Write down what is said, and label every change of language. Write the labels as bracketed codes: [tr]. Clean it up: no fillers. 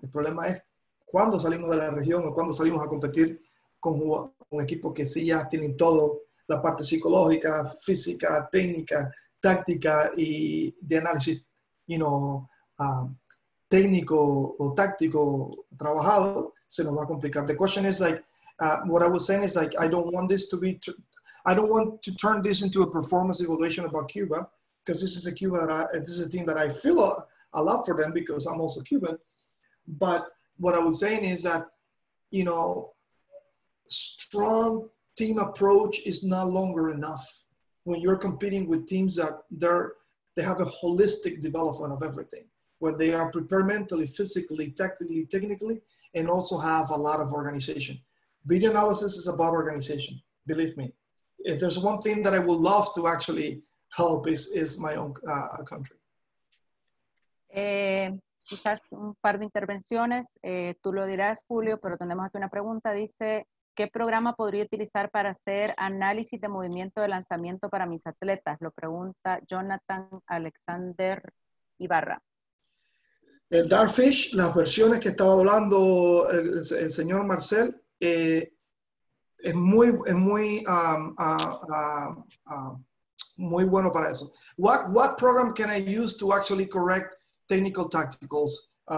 [es] El problema es cuando salimos de la región o cuando salimos a competir con un equipo que sí ya tienen todo, la parte psicológica, física, técnica, táctica y de análisis, técnico o táctico trabajado, se nos va a complicar. [en] The question is like, what I was saying is like, I don't want to turn this into a performance evaluation about Cuba, because this is a Cuba this is a team that I feel a lot for them because I'm also Cuban. But what I was saying is that, strong team approach is no longer enough when you're competing with teams that they have a holistic development of everything, where they are prepared mentally, physically, tactically, technically, and also have a lot of organization. Video analysis is about organization, believe me. If there's one thing that I would love to actually help is my own country. [es] Quizás un par de intervenciones, tú lo dirás, Julio, pero tenemos aquí una pregunta, dice, ¿Qué programa podría utilizar para hacer análisis de movimiento de lanzamiento para mis atletas? Lo pregunta Jonathan Alexander Ibarra. El Darfish, las versiones que estaba hablando el señor Marcel, es muy bueno para eso. [en] What program can I use to actually correct technical tacticals?